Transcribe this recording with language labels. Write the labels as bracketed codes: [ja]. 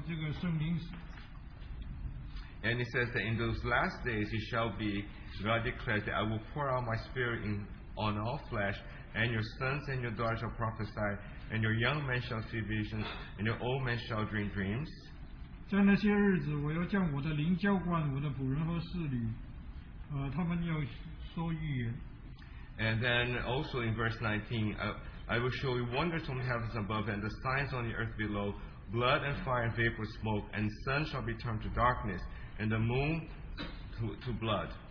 [zh] 这是在《使徒行传》第二章十四节，当圣灵倾倒、浇灌下来的时候，彼得在那里说到这个圣灵。 [en] And he says that in those last days it shall be, God declares that I will pour out my spirit in on all flesh, and your sons and your daughters shall prophesy, and your young men shall see visions, and your old men shall dream dreams. [zh] 在那些日子，我要将我的灵浇灌我的仆人和侍女。 [en] And then also in verse 19, I will show you wonders from the heavens above and the signs on the earth below, blood and fire and vapor smoke, and the sun shall be turned to darkness, and the moon to blood.